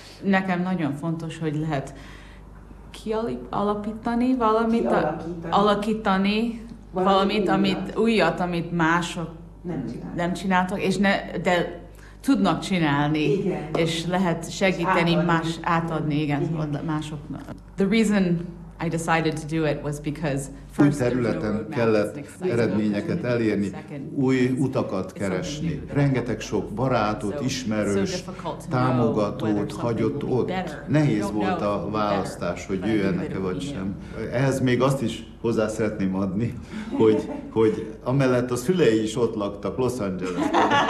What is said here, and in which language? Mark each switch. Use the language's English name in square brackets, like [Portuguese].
[Hungarian] Nekem nagyon fontos, hogy lehet alakítani valamit, amit újat, amit mások nem csináltak, de tudnak csinálni, igen, és lehet segíteni, átadni másoknak. [English] The reason I decided to do it was because [Hungarian] új területen kellett eredményeket elérni, új utakat keresni. Rengeteg sok barátot, ismerős, támogatót hagyott ott. Nehéz volt a választás, hogy jöjjenek-e vagy sem. Ehhez még azt is hozzá szeretném adni, hogy amellett a szülei is ott laktak, Los Angeles-ben.